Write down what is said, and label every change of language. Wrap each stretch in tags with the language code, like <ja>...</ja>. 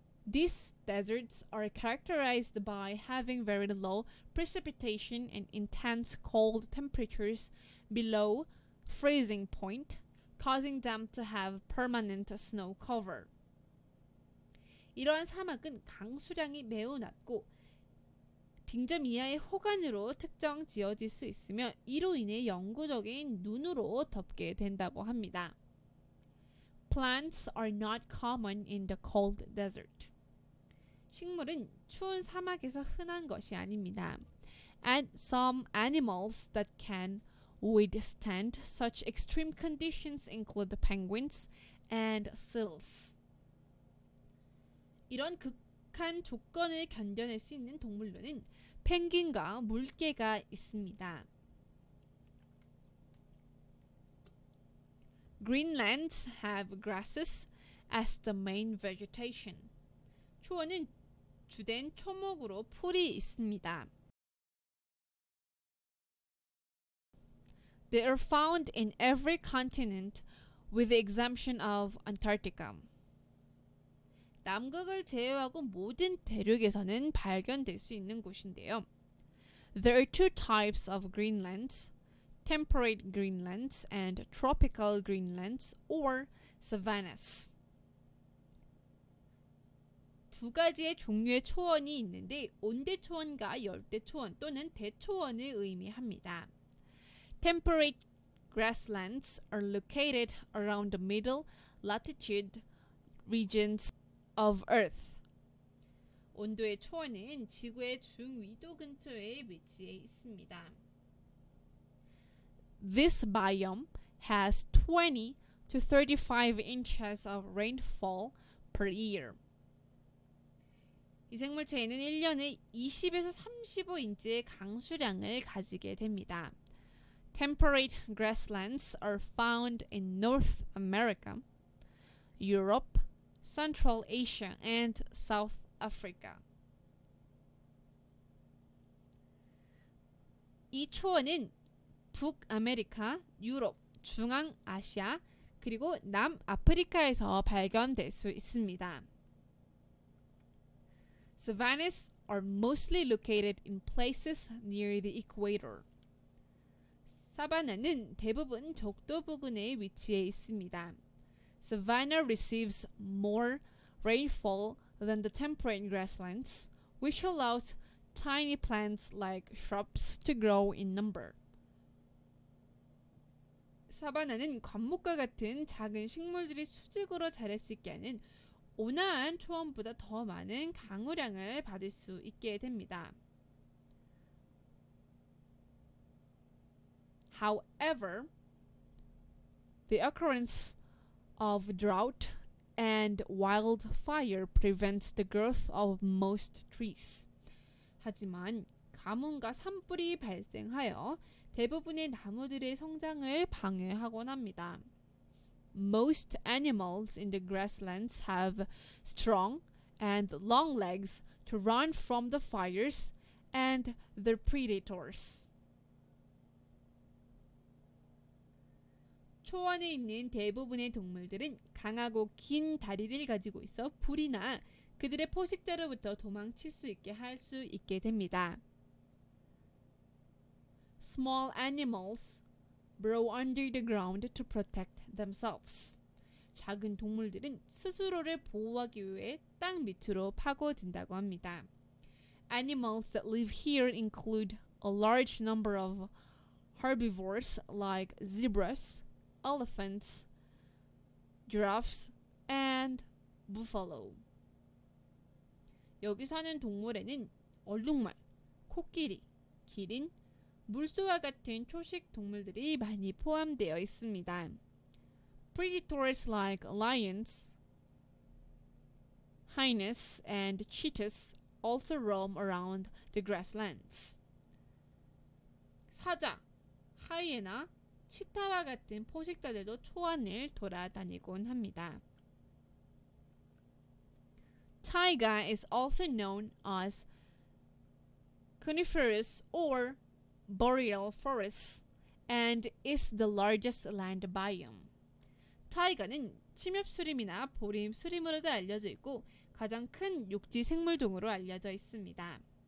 <en>These deserts are characterized by having very low precipitation and intense cold temperatures below freezing point, causing them to have permanent snow cover.</en> <ko>이러한 사막은 강수량이 매우 낮고 빙점 이하의 호간으로 특정 지어질 수 있으며 이로 인해 영구적인 눈으로 덮게 된다고 합니다.</ko> <en>Plants are not common in the cold desert.</en> <ko>식물은 추운 사막에서 흔한 것이 아닙니다.</ko> <en>And some animals that can withstand such extreme conditions include penguins and seals.</en> <ko>이런 극한 조건을 견뎌낼 수 있는 동물로는 펭귄과 물개가 있습니다.</ko> <en>Greenlands have grasses as the main vegetation.</en> <ko>초원은 주된 초목으로 풀이 있습니다.</ko> <en>They are found in every continent with the exception of Antarctica.</en> <ko>남극을 제외하고 모든 대륙에서는 발견될 수 있는 곳인데요.</ko> <en>There are two types of Greenlands, temperate Greenlands and tropical Greenlands or savannas.</en> <ko>두 가지의 종류의 초원이 있는데 온대초원과 열대초원 또는 대초원을 의미합니다.</ko> <en>Temperate grasslands are located around the middle latitude regions of Earth.</en> <ko>온도의 초원은 지구의 중위도 근처에 위치해 있습니다.</ko> <en>This biome has 20 to 35 inches of rainfall per year.</en> <ko>이 생물체에는 1년에 20에서 35인치의 강수량을 가지게 됩니다.</ko> <en>Temperate grasslands are found in North America, Europe, Central Asia, and South Africa.</en> <ko>이 초원은 북아메리카, 유럽, 중앙아시아, 그리고 남아프리카에서 발견될 수 있습니다.</ko> <en>Savannas are mostly located in places near the equator.</en> <ko>사바나는 대부분 적도 부근에 위치해 있습니다.</ko> <en>Savannah receives more rainfall than the temperate grasslands, which allows tiny plants like shrubs to grow in number.</en> <ko>사바나는 관목과 같은 작은 식물들이 수직으로 자랄 수 있게 하는 온화한 초원보다 더 많은 강우량을 받을 수 있게 됩니다.</ko> <en>However, the occurrence of drought and wildfire prevents the growth of most trees.</en> <ko>하지만 가뭄과 산불이 발생하여 대부분의 나무들의 성장을 방해하곤 합니다.</ko> <en>Most animals in the grasslands have strong and long legs to run from the fires and the predators.</en> <ko>초원에 있는 대부분의 동물들은 강하고 긴 다리를 가지고 있어 불이나 그들의 포식자로부터 도망칠 수 있게 할 수 있게 됩니다.</ko> <en>Small animals burrow under the ground to protect themselves.</en> <ko>작은 동물들은 스스로를 보호하기 위해 땅 밑으로 파고든다고 합니다.</ko> <en>Animals that live here include a large number of herbivores like zebras, elephants, giraffes, and buffalo.</en> <ko>여기 사는 동물에는 얼룩말, 코끼리, 기린, 물소와 같은 초식 동물들이 많이 포함되어 있습니다.</ko> <en>Predators like lions, hyenas, and cheetahs also roam around the grasslands.</en> <ko>사자, 하이에나, 치타와 같은 포식자들도 초원을 돌아다니곤 합니다.</ko> <en>Taiga is also known as coniferous or boreal forest and is the largest land biome.</en> <ko>타이가는 침엽수림이나 보림수림으로도 알려져 있고 가장 큰 육지 생물종으로 알려져 있습니다.</ko>